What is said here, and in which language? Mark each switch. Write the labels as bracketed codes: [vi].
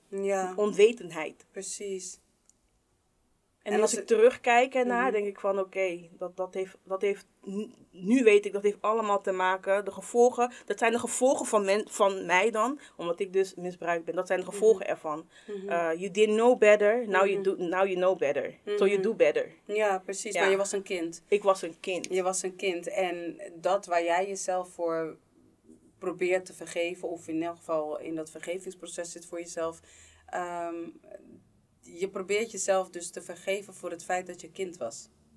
[nl] Ja. Onwetendheid. Precies. En als ik terugkijk ernaar, mm-hmm. denk ik van oké, dat heeft, nu weet ik, dat heeft allemaal te maken. De gevolgen, dat zijn de gevolgen van mij dan, omdat ik dus misbruikt ben. Dat zijn de gevolgen mm-hmm. ervan. Mm-hmm. [en] You didn't know better, now you know better. Mm-hmm. So you do better. [nl] Ja, precies. Ja. Maar je was een kind. Ik was een kind. Je was een kind. En dat waar jij jezelf voor probeert te vergeven, of in elk geval in dat vergevingsproces zit voor jezelf. Je probeert jezelf dus te vergeven voor het feit dat je kind was.